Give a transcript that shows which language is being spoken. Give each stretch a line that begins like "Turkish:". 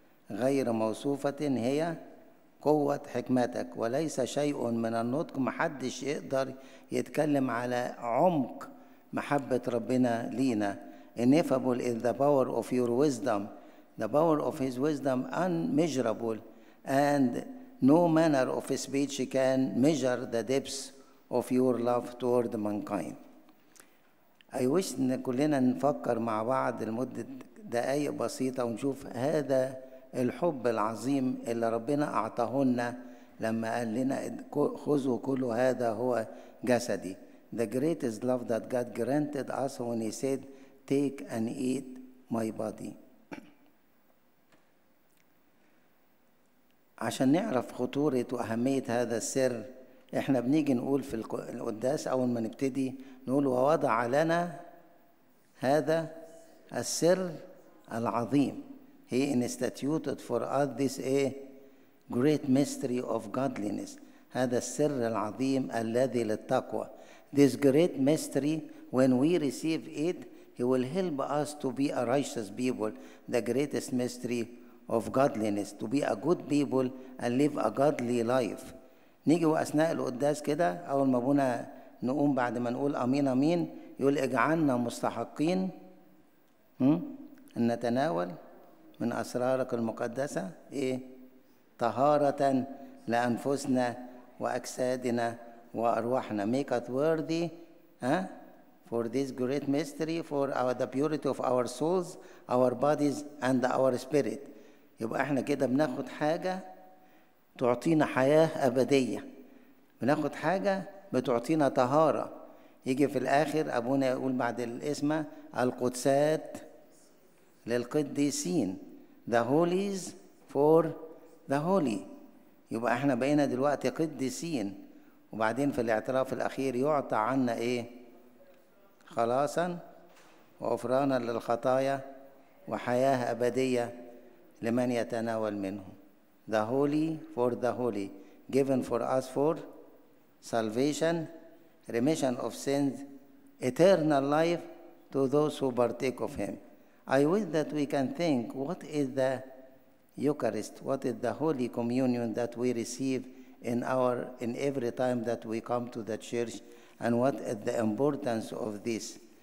Arabic: غير موصوفة هي قوة حكمتك، وليس شيء من النطق، محدش يقدر يتكلم على عمق محبة ربنا لينا.
English: Ineffable is the power of your wisdom. The power of his wisdom unmeasurable, and no manner of speech can measure the depths of your love toward mankind.
Arabic: أي وش إن كلنا نفكر مع بعض لمدة دقايق بسيطة ونشوف هذا الحب العظيم اللي ربنا أعطاه لنا لما قال لنا خذوا كل هذا هو جسدي.
English: The greatest love that God granted us when he said take and eat my body.
Arabic: عشان نعرف خطورة وأهمية هذا السر، احنا بنيجي نقول في القداس اول ما نبتدي نقول ووضع لنا هذا السر العظيم.
English: He instituted for us this a great mystery of godliness.
Arabic: هذا السر العظيم الذي للتقوى.
English: This great mystery when we receive it he will help us to be a righteous people. The greatest mystery of godliness to be a good people and live a godly life.
Arabic: نيجي وأثناء القداس كده أول ما أبونا نقوم بعد ما نقول أمين أمين يقول اجعلنا مستحقين أن نتناول من أسرارك المقدسة طهارة لأنفسنا وأجسادنا وأرواحنا.
English: Make us worthy for this great mystery for the purity of our souls, our bodies and our spirit.
Arabic: يبقى احنا كده بناخد حاجة تعطينا حياة أبدية، بناخد حاجة بتعطينا طهارة. يجي في الآخر أبونا يقول بعد الاسمة القدسات للقديسين،
English: the holies for the holy.
Arabic: يبقى احنا بقينا دلوقتي قديسين، وبعدين في الاعتراف الأخير يعطى عنا ايه؟ خلاصا وغفرانا للخطايا وحياة أبدية لمن يتناول منه.
English: The holy for the holy, given for us for salvation, remission of sins, eternal life to those who partake of him. I wish that we can think, what is the Eucharist, what is the Holy Communion that we receive in every time that we come to the church, and what is the importance of this.